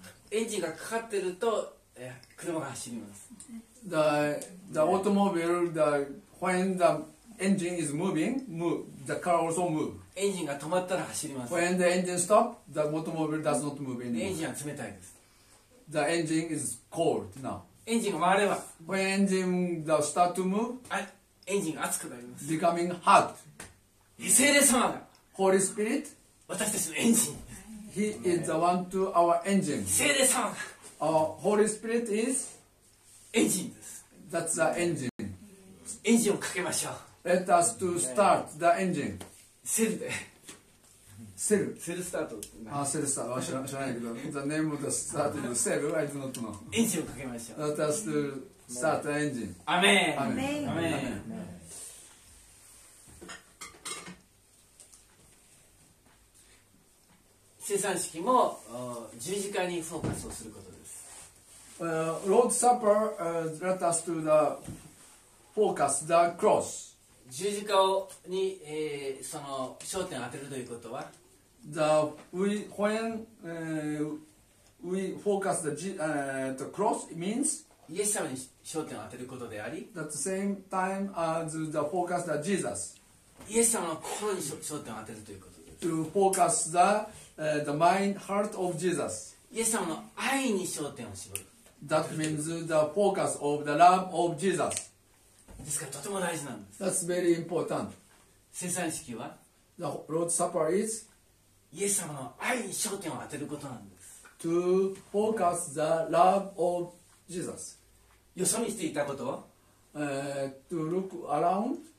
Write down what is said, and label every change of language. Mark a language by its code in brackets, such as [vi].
[ja] エンジンがかかってると、車が走ります。 [en] The automobile, the when the engine is moving, move, the car also move. [ja] エンジンが止まったら走ります。 [en] When the engine stop, the automobile does not move anymore. [ja] エンジンは冷たいです。 [en] The engine is cold now. [ja] エンジンが回れば。 [en] When engine start to move, [ja] エンジンが熱くなります。 [en] Becoming hot. [ja] 聖霊様が。 [en] Holy Spirit. [ja] 私たちのエンジン。 [en] He is the one to our engine. [ja] 聖霊様が。 [en] Our Holy Spirit is [ja] エンジンです。 [en] That's the engine. [ja] エンジンをかけましょう。 [en] Let us to start the engine. [ja] セルで。セル。セルスタート。あ、セルスタート。知らないけど。 [en] The name of the start is セル。I do not know. [ja] エンジンをかけましょう。 [en] Let us to start the engine. [ja] アメン。アメン。アメン。生産式も十字架にフォーカスをすることです。 [en] Lord's Supper, let us to the focus, the cross. [ja] 十字架に、その焦点を当てるということは [en] the, we, when、we focus the,、the cross means [ja] イエス様に焦点を当てることであり [en] at the same time as the focus the Jesus [ja] イエス様の心に焦点を当てるということです [en] to focus the,、the mind, heart of Jesus [ja] イエス様の愛に焦点を絞る [en] that means the focus of the love of Jesus [ja] ですからとても大事なんです。 [en] That's very important. [ja] 生産式は [en] The Lord's Supper is [ja] イエス様の愛に焦点を当てることなんです。 [en] To focus the love of Jesus. [ja] よそ見していたことを [en] To look around